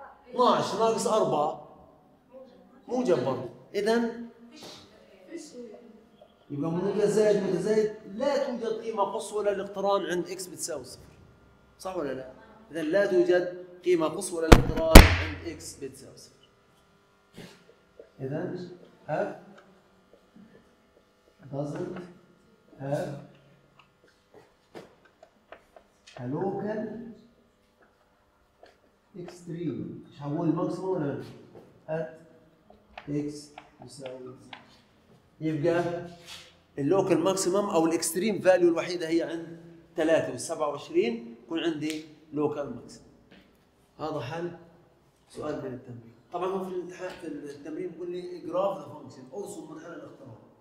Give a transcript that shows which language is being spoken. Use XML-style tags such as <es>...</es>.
<ar>12 ناقص 4 موجب برضه اذا يبقى متزايد متزايد لا توجد قيمه قصوى للاقتران عند اكس بتساوي صفر صح ولا لا؟ اذا لا توجد قيمه قصوى للاقتران عند اكس بتساوي صفر</ar> <en>إذن f doesn't have a local extreme</en> <ar>مش هقول</ar> <en>maximum ولا at x يساوي</en> <ar>يبقى اللوكال ماكسيموم او الاكستريم فاليو الوحيده هي عند 3 27 يكون عندي لوكال ماكسيموم هذا حل سؤال من التمرين طبعا هو في الامتحان في التمرين بيقول لي</ar> <en>graph the function</en> <ar>ارسم منحنى الاقتران</ar>